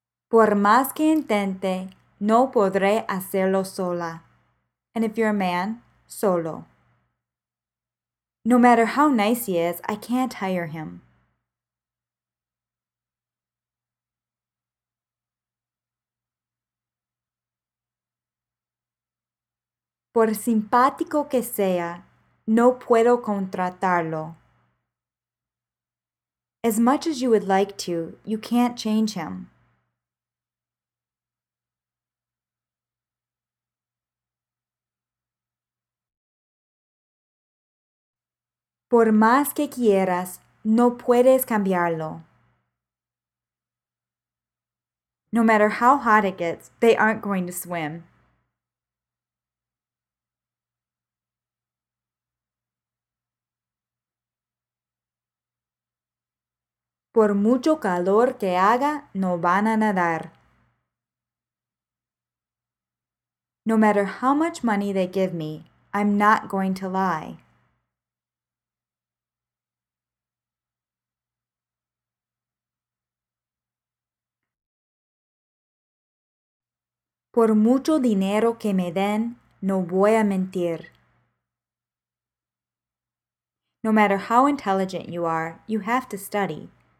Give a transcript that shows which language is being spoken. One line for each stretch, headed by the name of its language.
Spanish: Por más que intente, no podré hacerlo sola.
English: And if you're a man, solo. No matter how nice he is, I can't hire him.
Spanish: Por simpático que sea, no puedo contratarlo.
English: As much as you would like to, you can't change him.
Spanish: Por más que quieras, no puedes cambiarlo.
English: No matter how hot it gets, they aren't going to swim.
Spanish: Por mucho calor que haga, no van a nadar.
English: No matter how much money they give me, I'm not going to lie.
Spanish: Por mucho dinero que me den, no voy a mentir.
English: No matter how intelligent you are, you have to study.